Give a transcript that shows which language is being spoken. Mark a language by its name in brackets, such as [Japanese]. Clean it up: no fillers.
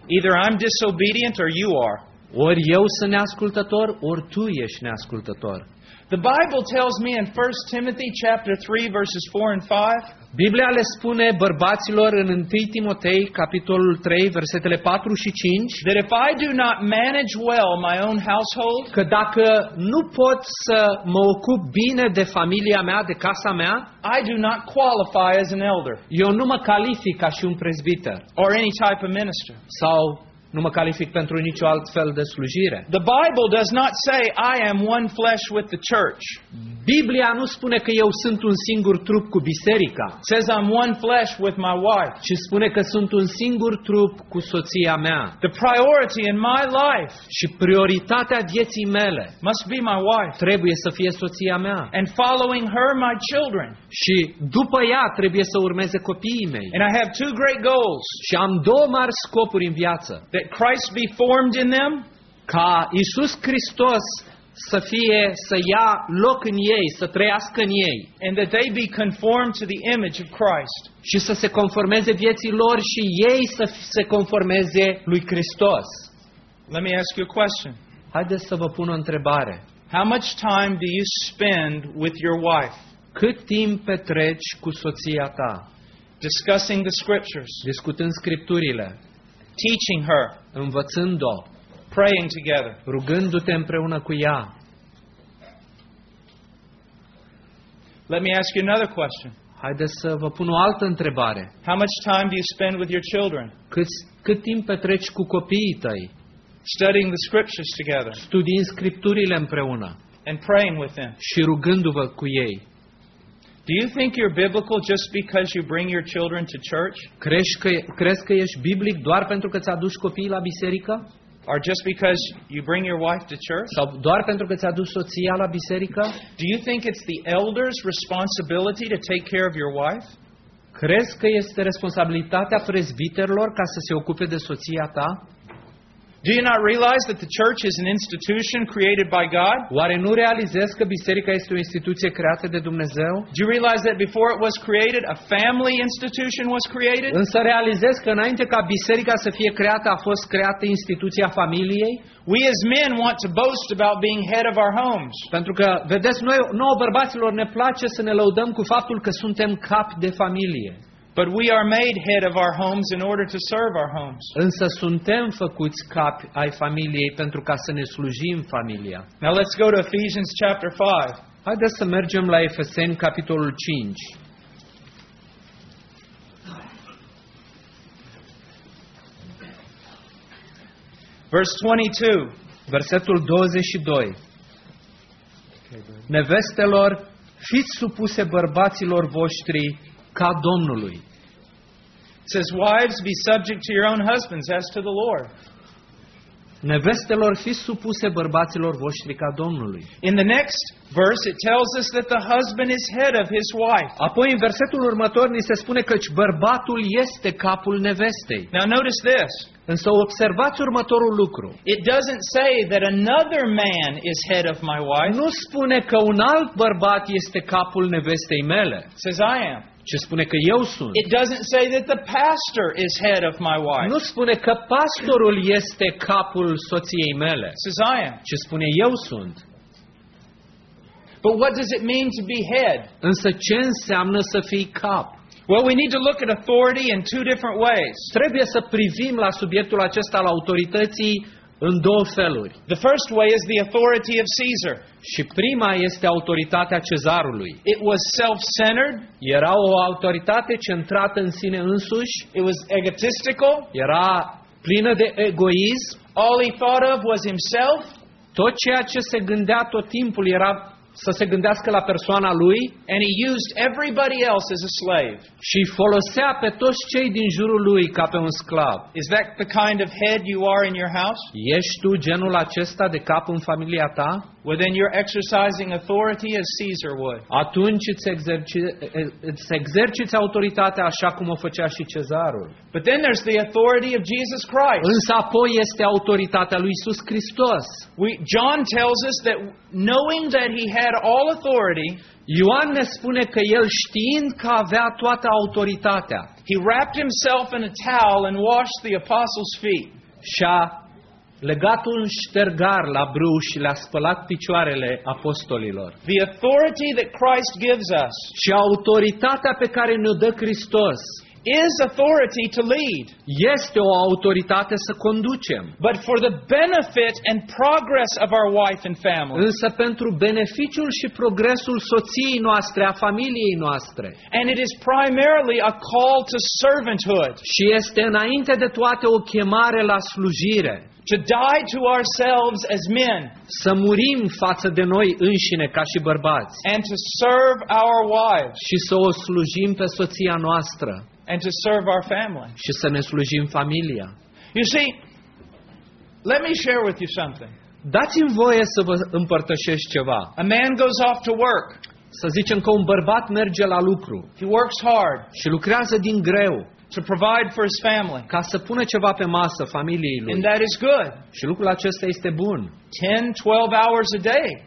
[English] "Either I'm disobedient or you are." [Romanian] Ori eu sunt neascultător, ori tu ești neascultător. [English] The Bible tells me in 1 Timothy chapter 3 verses 4 and 5. [Romanian] Biblia le spune bărbaților în 1 Timotei capitolul 3 versetele 4 și 5. [English] "That if I do not manage well my own household," [Romanian] că dacă nu pot să mă ocup bine de familia mea, de casa mea, [English] "I do not qualify as an elder." [Romanian] Eu nu mă calific ca și un presbiter. [English] "Or any type of minister." [Romanian] Sau nu mă calific pentru niciun alt fel de slujire. [English] "The Bible does not say I am one flesh with the church." [Romanian] Biblia nu spune că eu sunt un singur trup cu biserica. [English] "It says I'm one flesh with my wife." [Romanian] Și spune că sunt un singur trup cu soția mea. [English] "The priority in my life," [Romanian] și prioritatea vieții mele, [English] "must be my wife." [Romanian] Trebuie să fie soția mea. [English] "And following her my children." [Romanian] Și după ea trebuie să urmeze copiii mei. [English] "And I have two great goals." [Romanian] Și am două mari scopuri în viață. [English] "That Christ be formed in them," [Romanian] ca Iisus Hristos să fie, să ia loc în ei, să trăiască în ei, [English] "and that they be conformed to the image of Christ," [Romanian] și să se conformeze vieții lor și ei să se conformeze lui Hristos. [English] Let me ask you a question. [Romanian] Haideți să vă pun o întrebare. [English] How much time do you spend with your wife? [Romanian] Cât timp petreci cu soția ta? [English] Discussing the scriptures. [Romanian] Discutând scripturile. [English] Teaching her. [Romanian] Învățând-o. [English] Praying together. [Romanian] Rugându-te împreună cu ea. [English] Let me ask you another question. [Romanian] Haideți să vă pun o altă întrebare. [English] How much time do you spend with your children? [Romanian] Cât timp petreci cu copiii tăi? [English] Studying the scriptures together. [Romanian] Studiind scripturile împreună. [English] And praying with them. [Romanian] Și rugându-vă cu ei. [English] Do you think you're biblical just because you bring your children to church? [Romanian] Crezi că ești biblic doar pentru că ți-aduci copiii la biserică? [English] Or just because you bring your wife to church? [Romanian] Sau doar pentru că ți-aduci soția la biserică? [English] Do you think it's the elders' responsibility to take care of your wife? [Romanian] Crezi că este responsabilitatea presbiterilor ca să se ocupe de soția ta? [English] Do you not realize that the church is an institution created by God? [Romanian] Oare nu realizezi că biserica este o instituție creată de Dumnezeu? [English] Do you realize that before it was created, a family institution was created? [Romanian] Însă realizezi că înainte ca biserica să fie creată, a fost creată instituția familiei? [English] We as men want to boast about being head of our homes. [Romanian] Pentru că vedeți, noi bărbaților ne place să ne lăudăm cu faptul că suntem cap de familie. [English] But we are made head of our homes in order to serve our homes. [Romanian] Însă suntem făcuți capi ai familiei pentru ca să ne slujim familia. [English] Now let's go to Ephesians chapter 5. [Romanian] Haideți să mergem la Efeseni capitolul 5. Verse 22. Versetul 22. Nevestelor, fiți supuse bărbaților voștri ca Domnului. [English] It says, "Wives, be subject to your own husbands as to the Lord." [Romanian] Nevestelor, fiți supuse bărbaților voștri ca Domnului. [English] In the next verse, it tells us that the husband is head of his wife. [Romanian] Apoi, în versetul următor, ni se spune că bărbatul este capul nevestei. [English] Now notice this. [Romanian] Însă observați următorul lucru. [English] It doesn't say that another man is head of my wife. [Romanian] Nu spune că un alt bărbat este capul nevestei mele. [English] It says, "I am." [Romanian] ci spune că eu sunt. [English] It doesn't say that the pastor is head of my wife. [Romanian] Nu spune că pastorul este capul soției mele. [English] Says I am. [Romanian] Ci spune eu sunt. [English] But what does it mean to be head? [Romanian] Însă ce înseamnă să fii cap? [English] Well, we need to look at authority in two different ways. [Romanian] Trebuie să privim la subiectul acesta al autorității în două feluri. [English] The first way is the authority of Caesar. [Romanian] Și prima este autoritatea cezarului. [English] It was self-centered. [Romanian] Era o autoritate centrată în sine însuși. [English] It was egotistical. [Romanian] Era plină de egoism. [English] All he thought of was himself. [Romanian] Tot ceea ce se gândea tot timpul era să se gândească la persoana lui. [English] And he used everybody else as a slave. [Romanian] Și folosea pe toți cei din jurul lui ca pe un sclav. [English] Is that the kind of head you are in your house? [Romanian] Ești tu genul acesta de cap în familia ta? [English] Well, then you're exercising authority as Caesar would. [Romanian] Atunci îți exerciți autoritatea așa cum o făcea și Cezarul. [English] But then there's the authority of Jesus Christ. [Romanian] Însă apoi este autoritatea lui Iisus Hristos. [English] John tells us that knowing that he had all authority, [Romanian] Ioan ne spune că el știind că avea toată autoritatea, [English] he wrapped himself in a towel and washed the apostles' feet. [Romanian] Și-a legat un ștergar la brâu și le-a spălat picioarele apostolilor. [English] The authority that Christ gives us. [Romanian] Și autoritatea pe care ne-o dă Hristos. [English] Is authority to lead. [Romanian] Este o autoritate să conducem. [English] But for the benefit and progress of our wife and family. [Romanian] Însă pentru beneficiul și progresul soției noastre, a familiei noastre. [English] And it is primarily a call to servanthood. [Romanian] Și este înainte de toate o chemare la slujire. [English] To die to ourselves as men. [Romanian] Să murim față de noi înșine ca și bărbați. [English] And to serve our wives. [Romanian] Și să o slujim pe soția noastră. [English] And to serve our family. [Romanian] Și să ne slujim familia. [English] You see, let me share with you something. [Romanian] Dați-mi voie să vă împărtășesc ceva. [English] A man goes off to work. [Romanian] Să zicem că un bărbat merge la lucru. [English] He works hard. [Romanian] Și lucrează din greu. [English] To provide for his family. [Romanian] Ca să pună ceva pe masă familiei lui. [English] And that is good. [Romanian] Și lucrul acesta este bun. [English] 10-12 hours a day.